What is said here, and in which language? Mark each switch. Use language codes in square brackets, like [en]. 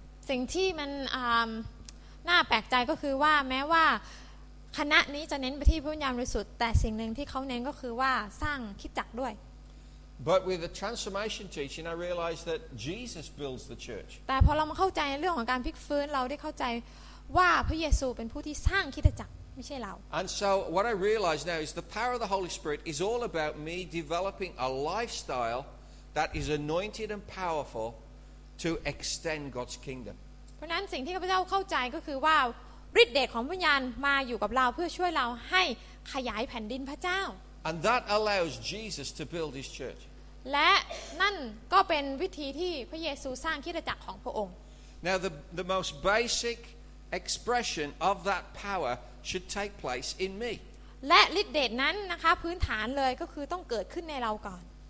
[th] สิ่งที่มันน่าแปลกใจก็คือว่าแม้ว่าคณะนี้จะเน้นไปที่พระวิญญาณบริสุทธิ์แต่สิ่งหนึ่งที่เขาเน้นก็คือว่าสร้างคริสตจักรด้วย [en] But with the transformation teaching, I realized that Jesus builds the church. [th] แต่พอเรามาเข้าใจเรื่องของการพลิกฟื้นเราได้เข้าใจว่าพระเยซูเป็นผู้ที่สร้างคริสตจักร [en] And so what I realize now is the power of the Holy Spirit is all about me developing a lifestyle that is anointed and powerful to extend God's kingdom. [th] เพราะนั้นสิ่งที่ข้าพเจ้าเข้าใจก็คือว่าฤทธิ์เดชของวิญญาณมาอยู่กับเราเพื่อช่วยเราให้ขยายแผ่นดินพระเจ้า [en] And that allows Jesus to build his church. [th] และนั่นก็เป็นวิธีที่พระเยซูสร้างคริสตจักรของพระองค์ [en] Now the most basic expression of that powerShould take place in me. [th] และฤทธิ์เดชนั้นนะคะพื้นฐานเลยก็คือต้องเกิดขึ้นในเราก่อน